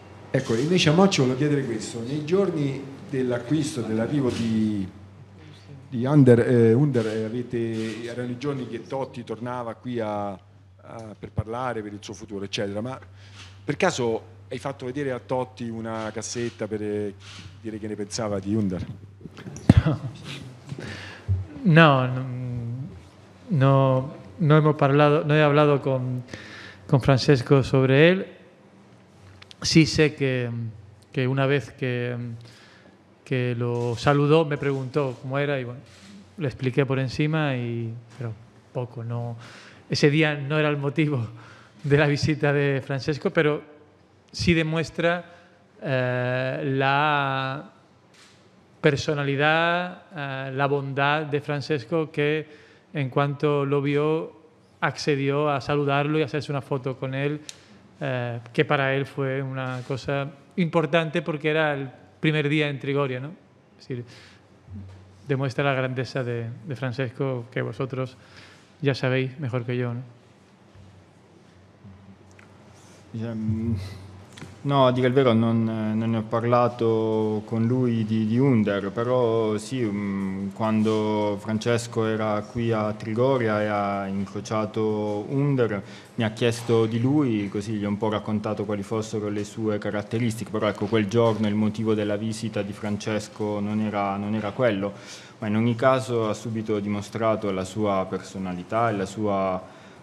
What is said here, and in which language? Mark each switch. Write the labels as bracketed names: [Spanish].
[Italian] Ecco, invece a Moccio volevo chiedere questo. Nei giorni dell'acquisto, dell'arrivo di Under, Under avete, erano i giorni che Totti tornava qui a, a, per parlare, per il suo futuro, eccetera. Ma per caso hai fatto vedere a Totti una cassetta per dire che ne pensava di Under? [Spanish] No, no, no, no hemos parlato, no he hablado con Francesco sobre él. Sí sé que una vez que lo saludó me preguntó cómo era y bueno, le expliqué por encima y pero poco, no, ese día no era el motivo de la visita de Francesco, pero sí demuestra la personalidad, la bondad de Francesco, que en cuanto lo vio accedió a saludarlo y a hacerse una foto con él, que para él fue una cosa importante porque era el primer día en Trigoria, ¿no? Es decir, demuestra la grandeza de Francesco, que vosotros ya sabéis mejor que yo, ¿no? [Italian] No, a dire il vero non ne ho parlato con lui di Under, però sì, quando Francesco era qui a Trigoria e ha incrociato Under, mi ha chiesto di lui, così gli ho un po' raccontato quali fossero le sue caratteristiche, però ecco, quel giorno il motivo della visita di Francesco non era quello, ma in ogni caso ha subito dimostrato la sua personalità e la sua...